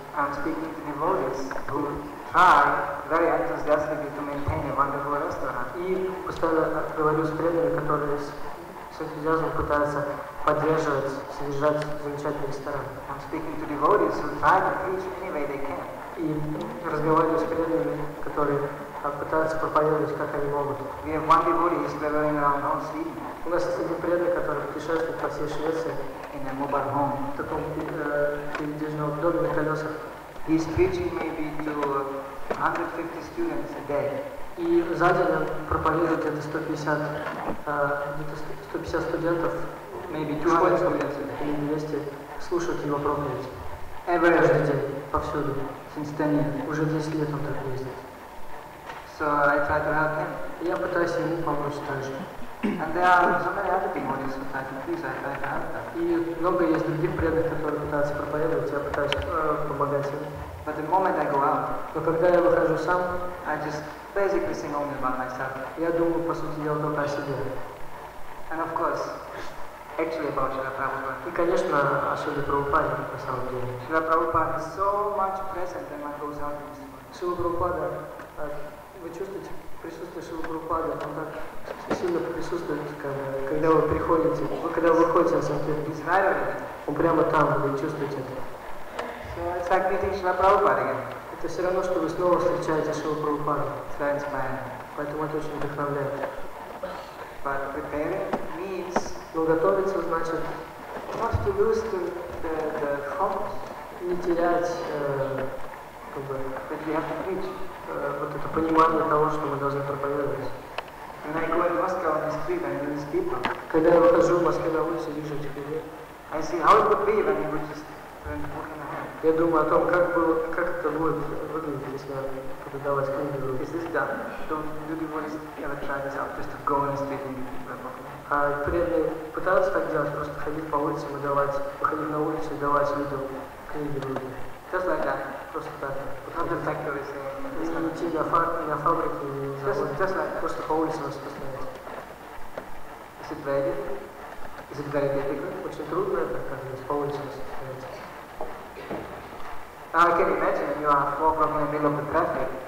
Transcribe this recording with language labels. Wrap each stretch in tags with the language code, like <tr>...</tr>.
<en>I'm speaking to devotees who try very enthusiastically to maintain a wonderful restaurant.</en> <ru>И постоянно говорю с тренерами, которые с энтузиазмом пытаются поддерживать, содержать замечательный ресторан.</ru> <en>I'm speaking to devotees who try to preach any way they can.</en> <ru>И разговариваю с тренерами, которые пытаются проповедовать, как они могут.</ru> <en>We have one devotee who is traveling around all Sweden.</en> <ru>У нас есть один преданный, который путешествует по всей Швеции.</ru> <en>In a mobile home.</en> <ru>В таком передвижном доме на колесах.</ru> <en>He is preaching maybe to 150 students a day.</en> <ru>И за день он проповедует где-то 150 студентов.</ru> <en>Maybe 200 students a day.</en> <ru>Или 200 слушают его проповедь.</ru> <en>Every</en> <ru>каждый день, повсюду.</ru> <en>Since 10 years.</en> <ru>Уже 10 лет он так ездит.</ru> <en>So I try to help him.</en> <ru>Я пытаюсь ему помочь также.</ru> <en>And there are so many other devotees who try to please, I try to help them.</en> <ru>И много есть других преданных, которые пытаются проповедовать, я пытаюсь помогать им.</ru> <en>But the moment I go out,</en> <ru>но когда я выхожу сам,</ru> <en>I just basically think only about myself.</en> <ru>Я думаю, по сути дела, только о себе.</ru> <en>And of course, actually about Шрила Прабхупада.</en> <ru>И, конечно, о Шриле Прабхупаде, на самом деле.</ru> <en>Шрила Прабхупада is so much present when one goes out in this world.</en> <ru>Шрила Прабхупада, вы чувствуете присутствие Шрилы Прабхупады, он так сильно присутствует, когда вы приходите, когда вы выходите от Санкт-Петербурга. Он прямо там, вы чувствуете это.</ru> <en>So it's like meeting Шрила Прабхупада again.</en> <ru>Это все равно, что вы снова встречаете Шрилу Прабхупаду.</ru> <en>It's very inspiring.</en> <ru>Поэтому это очень вдохновляет.</ru> <en>But preparing means...</en> <ru>Но готовиться значит...</ru> <en>Not to lose the hope.</en> <ru>Не терять...</ru> <en>That we have to preach.</en> <ru>Вот это понимание того, что мы должны проповедовать.</ru> <en>When I go in Moscow on the street, I meet these people.</en> <ru>Когда я выхожу в Москве на улицу, вижу этих людей.</ru> <en>I see how it would be when you would just walking ahead.</en> <ru>Я думаю о том, как это будет выглядеть, если преподавать книги.</ru> <en>Is this done? Do devotees ever try this out, just to go on the street and meet people?</en> <ru>А преданные пытаются так делать, просто ходить по улице и давать, выходить на улицу и давать людям книги другим.</ru> <en>Just like that.</en> <ru>Просто так.</ru> <en>Not a factory,</en> <ru>say. На фабрике.</ru> <en>Just like.</en> <ru>Просто по улице вас постоянно. Is it very difficult? Is it very difficult? Очень трудно это, как бы, по улице вас постоянно.</ru> <en>I can imagine you are walking in the middle of the traffic.</en>